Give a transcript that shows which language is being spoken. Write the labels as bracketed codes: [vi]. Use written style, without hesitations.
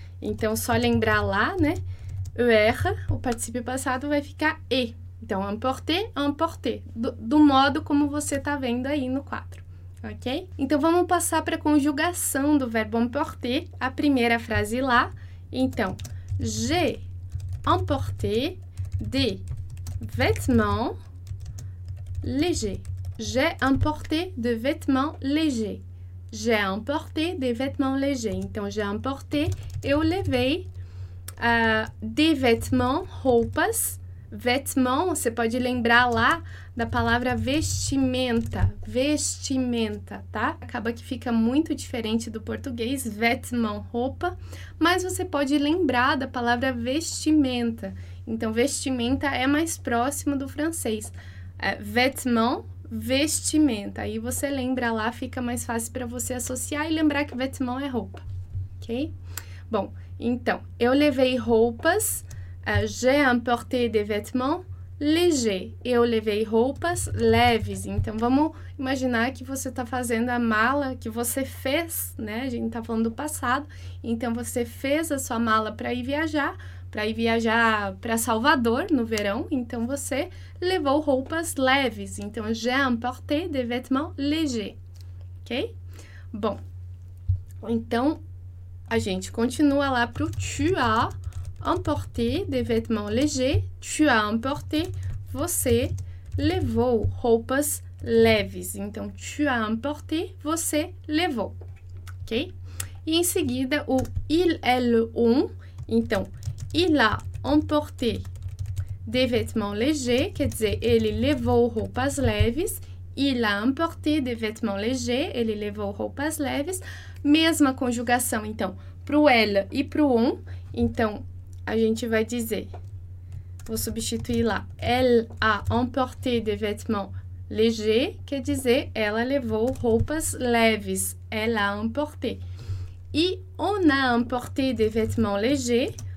[pt] Então, só lembrar lá, né? ER, o particípio passado, vai ficar E. Então, emporter, emporter. Do modo como você está vendo aí no 4, ok? Então, vamos passar para a conjugação do verbo emporter, a primeira frase lá. [fr] Então, j'ai emporté de vêtements légers. J'ai emporté de vêtements légers. J'ai emporté de vêtements légers. [pt] Então, [fr] j'ai emporté, [pt] eu levei des vêtements, roupas. Vêtements, você pode lembrar lá da palavra vestimenta. Vestimenta, tá? Acaba que fica muito diferente do português, vêtements, roupa. Mas você pode lembrar da palavra vestimenta. Então, vestimenta é mais próximo do francês. É, vêtements, vestimenta. Aí você lembra lá, fica mais fácil para você associar e lembrar que vêtements é roupa. Ok? Bom, então, eu levei roupas. [fr] J'ai emporté des vêtements légers. [pt] Eu levei roupas leves. Então, vamos imaginar que você está fazendo a mala que você fez, né? A gente está falando do passado. Então, você fez a sua mala para ir viajar. Para ir viajar para Salvador no verão, então você levou roupas leves. [fr] Então, j'ai emporté des vêtements légers. [pt] Ok? Bom, então a gente continua lá para o [fr] tu as emporté des vêtements légers. Tu as emporté, [pt] você levou roupas leves. Então, [fr] tu as emporté, [pt] você levou. Ok? E em seguida, o il, elle, on. Então, [fr] il a emporté des vêtements légers, [pt] quer dizer, ele levou roupas leves. [fr] Il a emporté des vêtements légers, [pt] ele levou roupas leves. Mesma conjugação, então, pro elle e pro on. Então, a gente vai dizer, vou substituir lá, [fr] elle a emporté des vêtements légers, [pt] quer dizer, ela levou roupas leves. [fr] Elle a emporté. E on a emporté des vêtements légers.